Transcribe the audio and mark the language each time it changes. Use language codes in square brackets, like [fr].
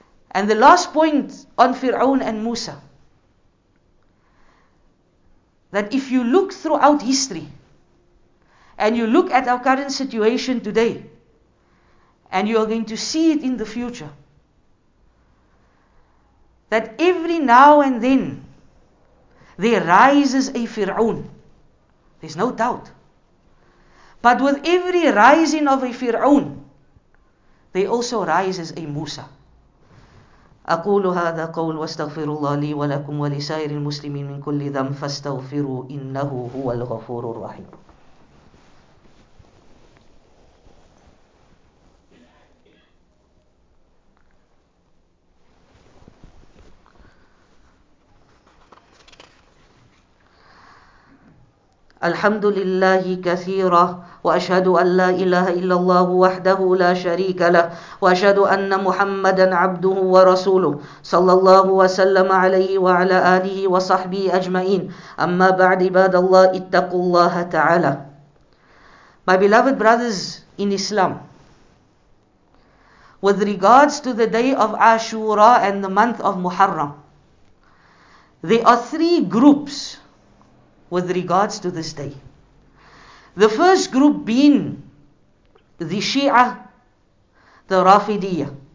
[en] And the last point on Fir'aun and Musa, that if you look throughout history, and you look at our current situation today, and you are going to see it in the future, that every now and then there rises a Fir'aun. There's no doubt. But with every rising of a Fir'aun, there also rises a Musa. [ar] أقول هذا قول واستغفر الله لي ولكم ولسائر المسلمين من كل ذنب فاستغفروا إنه هو الغفور الرحيم. الحمد لله كثيرا وأشهد أن لا إله إلا الله وحده لا شريك له وأشهد أن محمدا عبده ورسوله صلى الله وسلم عليه وعلى آله وصحبه أجمعين أما بعد عباد الله اتقوا الله تعالى. [en] My beloved brothers in Islam, with regards to the day of Ashura and the month of Muharram, there are three groups with regards to this day. The first group being the Shia, the Rafidiyah.